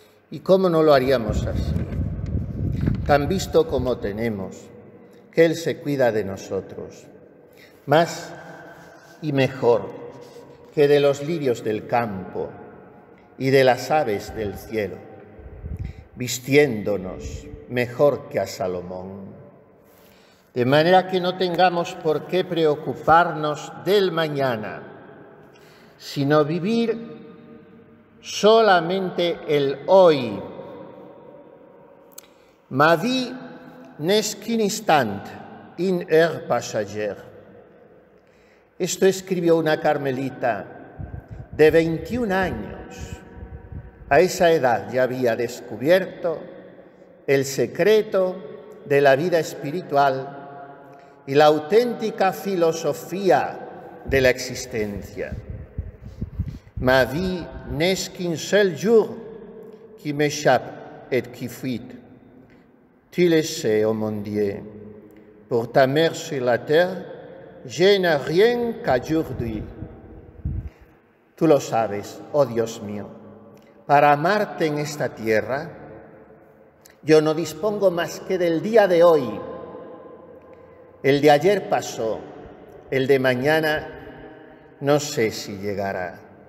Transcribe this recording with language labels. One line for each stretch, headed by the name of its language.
Spanish: ¿Y cómo no lo haríamos así? Tan visto como tenemos, que Él se cuida de nosotros, más y mejor que de los lirios del campo y de las aves del cielo, vistiéndonos mejor que a Salomón. De manera que no tengamos por qué preocuparnos del mañana, sino vivir solamente el hoy.
French: Ma vie n'est qu'un instant, une heure passagère.
Spanish: Esto escribió una carmelita de 21 años. A esa edad ya había descubierto el secreto de la vida espiritual y la auténtica filosofía de la existencia.
French: Ma vie n'est qu'un seul jour qui m'échappe et qui fuit. Tu le sais, oh mon Dieu, pour ta mère sur la terre, je n'ai rien qu'aujourd'hui.
Spanish: Tú lo sabes, oh Dios mío. Para amarte en esta tierra, yo no dispongo más que del día de hoy. El de ayer pasó, el de mañana no sé si llegará.